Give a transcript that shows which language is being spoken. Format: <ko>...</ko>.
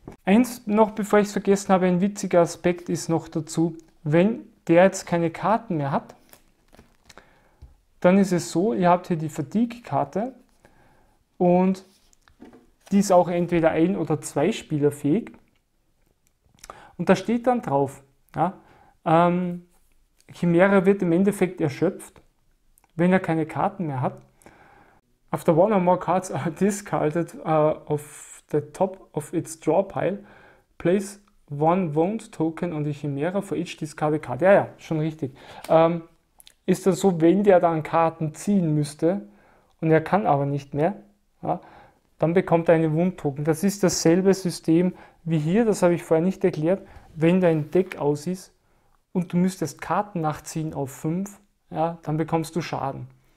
<de>Eins noch, bevor ich es vergessen habe, ein witziger Aspekt ist noch dazu, wenn der jetzt keine Karten mehr hat, dann ist es so, ihr habt hier die Fatigue-Karte und die ist auch entweder ein- oder zweispielerfähig. Und da steht dann drauf, ja, Chimera wird im Endeffekt erschöpft, wenn er keine Karten mehr hat.</de> <en>After one or more cards are discarded off the top of its draw pile, place one wound token on the Chimera for each discarded card.</en> <de>Ja, schon richtig. Ist das so, wenn der dann Karten ziehen müsste und er kann aber nicht mehr, ja, dann bekommt er einen Wundtoken. Das ist dasselbe System wie hier, das habe ich vorher nicht erklärt. Wenn dein Deck aus ist und du müsstest Karten nachziehen auf 5, ja, dann bekommst du Schaden.</de>